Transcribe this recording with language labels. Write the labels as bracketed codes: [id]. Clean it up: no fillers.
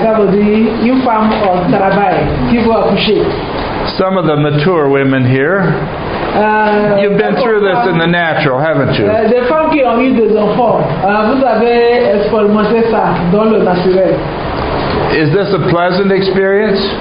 [fr] Ça veut dire une femme au travail qui veut accoucher. [en] Some of the mature women here. You've been through this in the natural, haven't you? [fr] Des femmes qui ont eu des enfants, vous avez expérimenté ça dans le naturel. [en] Is this a pleasant experience?